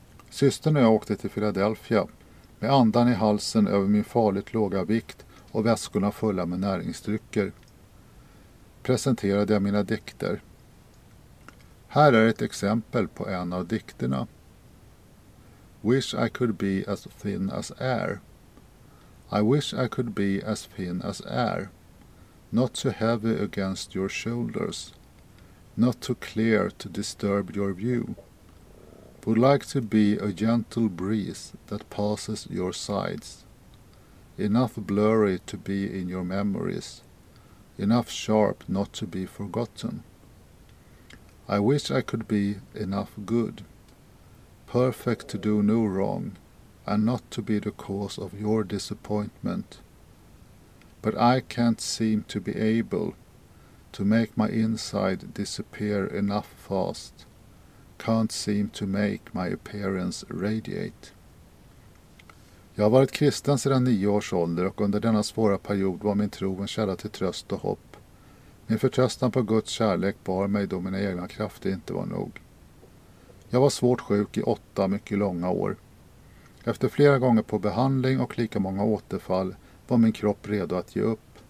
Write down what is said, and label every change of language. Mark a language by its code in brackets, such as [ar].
[sv] Systern och jag åkte till Philadelphia med andan i halsen över min farligt låga vikt och väskorna fulla med näringsdrycker. Presenterade jag mina dikter. Här är ett exempel på en av dikterna. [en] Wish I could be as thin as air. I wish I could be as thin as air. Not too heavy against your shoulders. Not too clear to disturb your view. Would like to be a gentle breeze that passes your sides. Enough blurry to be in your memories. Enough sharp not to be forgotten. I wish I could be enough good. Perfect to do no wrong and not to be the cause of your disappointment. But I can't seem to be able to make my inside disappear enough fast. Can't seem to make my appearance radiate. [sv] Jag har varit kristen sedan 9 års ålder och under denna svåra period var min tro en källa till tröst och hopp. Min förtröstan på Guds kärlek bar mig då mina egna krafter inte var nog. Jag var svårt sjuk i 8 mycket långa år. Efter flera gånger på behandling och lika många återfall var min kropp redo att ge upp.